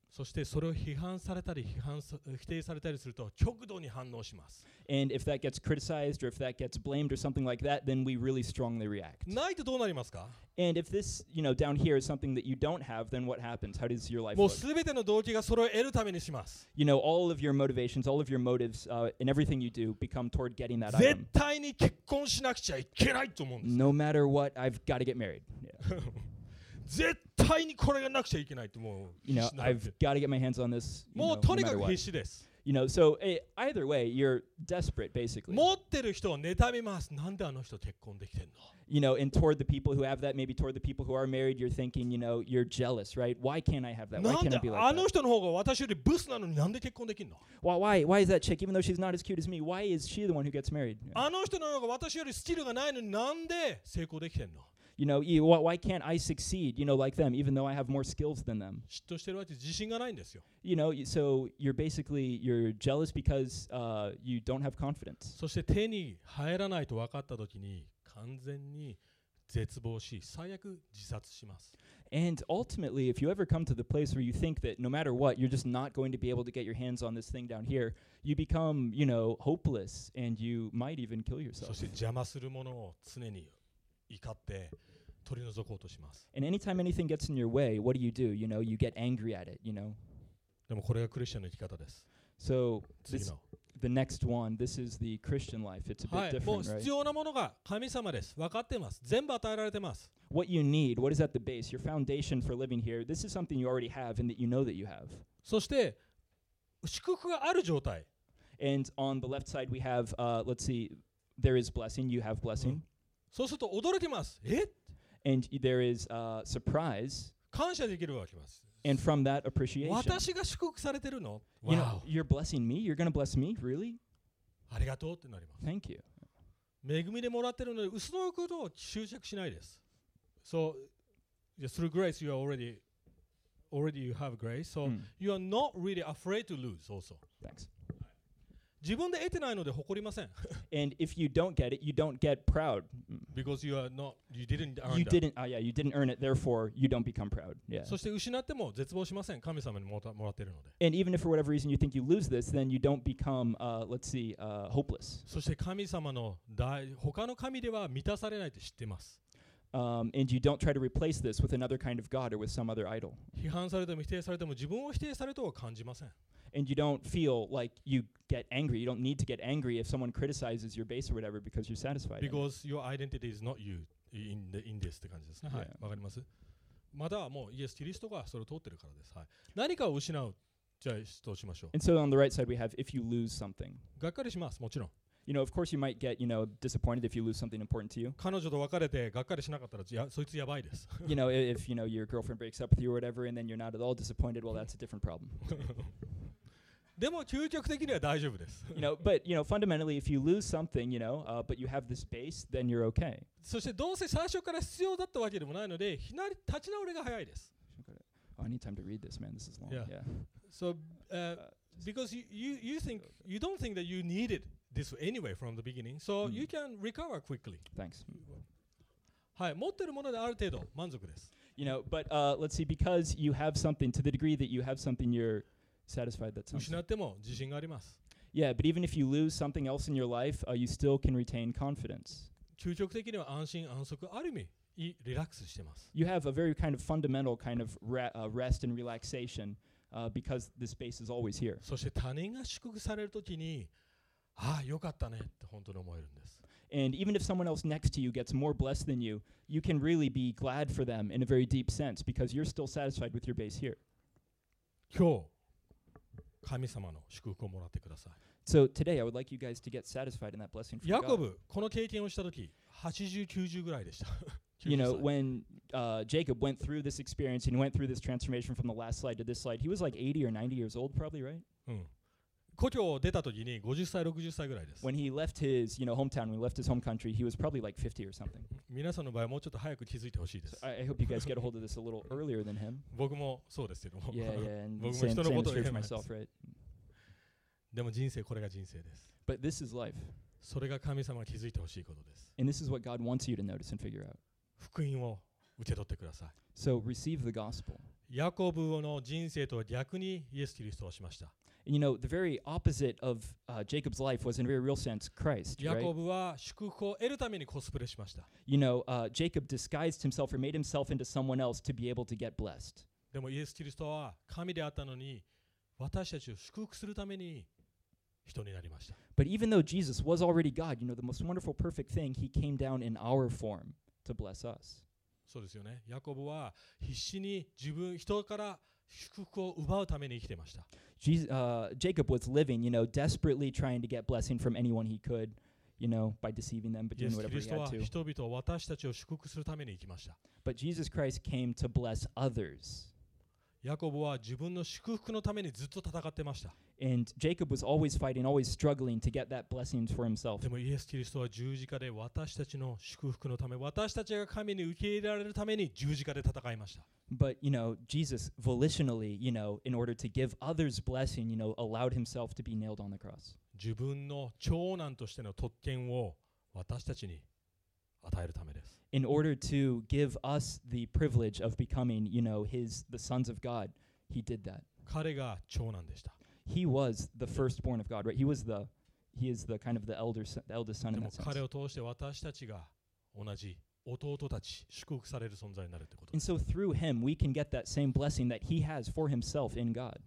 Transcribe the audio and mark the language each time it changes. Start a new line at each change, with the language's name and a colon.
Japanese: そしてそれを批判されたり批判否定されたりすると極度に反応します。
English: And if that gets criticized or if that gets blamed or something like that, then we really strongly react.
Japanese: ないとどうなりますか?
English: And if this, you know, down here is something that you don't have, then what happens? How does your life look?
Japanese: もうすべての動機がそれを得るためにします。
English: You know, all of your motivations, all of your motives, and everything you do become toward getting that item.
Japanese: 絶対に結婚しなくちゃいけないと思うんです。
English: No matter what, I've got to get married. Yeah.
Japanese: 絶対にこれがなくちゃいけないと思う。
English: You know, I've got to get my hands on this.
Japanese: もうとにかく必死です。
English: You know, so either way, you're desperate, basically.
Japanese: 持ってる人を妬みます。なんであの人結婚できてんの?
English: You know, and toward the people who have that, maybe toward the people who are married, you're thinking, you know, you're jealous, right? Why can't I have that? Why can't I be like that?
Japanese: あの人の方が私よりブスなのになんで結婚できんの?
English: Why is that chick, even though she's not as cute as me, why is she the one who gets married?
Japanese: あの人の方が私よりスキルがないのになんで成功できてんの?
English: You know, why can't I succeed, you know, like them, even though I have more skills than them?
Japanese: 嫉妬してるわけ自信がないんですよ。
English: You know, so you're basically, you're jealous because you don't have confidence.
Japanese: そして手に入らないと分かった時に完全に絶望し、最悪自殺します。
English: And ultimately, if you ever come to the place where you think that no matter what, you're just not going to be able to get your hands on this thing down here, you become, you know, hopeless and you might even kill yourself.
Japanese: そして邪魔するものを常に怒って取り除こうとします。
English: And anytime anything gets in your way, what do? You know, you get angry at it, you know.
Japanese: でもこれがクリスチャンの生き方です。
English: So, the next one, this is the Christian life. It's a bit different, right?
Japanese: もう必要なものが神様です。分かってます。全部与えられてます。
English: What you need, what is at the base, your foundation for living here, this is something you already have and that you know that you have.
Japanese: そして、祝福がある状態。
English: And on the left side we have, there is blessing, you have blessing.
Japanese: そうすると驚きます。
English: And there is surprise.
Japanese: 感謝できるわけです。
English: And from that appreciation.
Japanese: 私が祝福されてるの?
English: Wow. You know, you're blessing me? You're going to bless me? Really?
Japanese: ありがとうってなります。
English: Thank you.
Japanese: 恵みでもらってるので、嘘のことを執着しないです。
English: So, through grace, you are already you have grace. So, you are not really afraid to lose also. Thanks.
Japanese: 自分で得てないので誇りません。
English: And if you don't get it, you don't get proud. Because you are not, you didn't earn it. You didn't, you didn't earn it, therefore you don't become proud. Yeah.
Japanese: そして失っても絶望しません。神様にもらっているので。
English: And even if for whatever reason you think you lose this, then you don't become, hopeless.
Japanese: そして神様の他の神では満たされないと知っています。
English: And you don't try to replace this with another kind of God or with some other idol.
Japanese: 批判されても否定されても自分を否定されたとは感じません。
English: And you don't feel like you get angry. You don't need to get angry if someone criticizes your base or whatever because you're satisfied. Because your identity is not you in this.
Japanese: って感じですね。はい。わかります。またはもうイエス・キリストがそれを通ってるからです。はい。何かを失う。じゃあ、どうしましょう。
English: And so on the right side we have if you lose something.
Japanese: がっかりします。もちろん。
English: You know, of course you might get, you know, disappointed if you lose something important to you.
Japanese: 彼女と別れてがっかりしなかったらそいつやばいです。
English: You know, if you know, your girlfriend breaks up with you or whatever and then you're not at all disappointed, well, that's a different problem.
Japanese: でも究極的には大丈夫です。
English: You know, but you know, fundamentally, if you lose something, you know, but you have this base, then you're okay.
Japanese: そしてどうせ最初から必要だったわけでもないので、立ち直りが早いです。
English: Oh, I need time to read this, man. This is long. Yeah. So, because you think you don't think that you needed this anyway from the beginning, so you can recover quickly. Thanks.
Japanese: Hi, 持ってるものである程度満足です。
English: You know, but let's see, because you have something, to the degree that you have something, you're satisfied that something.
Japanese: 失っても自信があります。
English: Yeah, but even if you lose something else in your life, you still can retain confidence.
Japanese: 究極的には安心安息ある意味リラックスしてます。
English: You have a very kind of fundamental kind of rest and relaxation because the space is always here.
Japanese: そして他人が祝福されるときに、ああ、よかったねって本当に思えるんです。
English: And even if someone else next to you gets more blessed than you, you can really be glad for them in a very deep sense because you're still satisfied with your base here.
Japanese: 今日、神様の祝福をもらってください。
English: So today, I would like you guys to get satisfied in that blessing from God.
Japanese: ヤコブ、この経験をした時、80、90ぐらいでした。
English: You know, when Jacob went through this experience and went through this transformation from the last slide to this slide, he was like 80 or 90 years old probably, right?
Japanese: うん。故郷を出た時に50歳60歳ぐらいです。
English: When he left his, you know, hometown, when he left his home country, he was probably like 50 or something.
Japanese: 皆さんの場合はもうちょっと早く気づいてほしいです。
English: So、I hope you guys get a hold of this a little earlier than him.
Japanese: 僕もそうですけども。
English: Yeah, and
Japanese: 僕も人のことを言えます。
English: Right?
Japanese: でも人生これが人生です。
English: But this is life.
Japanese: それが神様が気づいてほしいことです。
English: And this is what God wants you to notice and figure out.
Japanese: 福音を受け取ってください。
English: So receive the gospel.
Japanese: ヤコブの人生とは逆にイエス・キリストをしました。
English: You know, the very opposite of Jacob's life was in a very real sense Christ, right?
Japanese: ヤコブは祝福を得るためにコスプレしました。
English: You know, Jacob disguised himself or made himself into someone else to be able to get blessed.
Japanese: でもイエス・キリストは神であったのに私たちを祝福するために人になりました。
English: But even though Jesus was already God, you know, the most wonderful perfect thing, he came down in our form to bless us.
Japanese: そうですよね。ヤコブは必死に自分、人から祝福を奪うために生きてました。
English: Jacob was living, you know, desperately trying to get blessing from anyone he could, you know, by deceiving them, but doing whatever he had to.
Japanese: イエス・キリストは人々を私たちを祝福するために行きました。
English: But Jesus Christ came to bless others.
Japanese: ヤコブは自分の祝福のためにずっと戦ってました。
English: And Jacob was always fighting, always struggling to get that blessing for himself.
Japanese: でもイエス・キリストは十字架で私たちの祝福のため、私たちが神に受け入れられるために十字架で戦いました。
English: But you know, Jesus volitionally, you know, in order to give others blessing, you know, allowed himself to be nailed on the cross.
Japanese: 自分の長男としての特権を私たちに与えるためです。
English: In order to give us the privilege of becoming, you know, the sons of God, he did that. 彼が長男でした。 He was the firstborn of God, right? He is the kind of the eldest son in that sense.
Japanese: でも彼を通して私たちが同じ。弟たち祝福される存在になるってこと。
English: And so through him we can get that same blessing that he has for himself in God.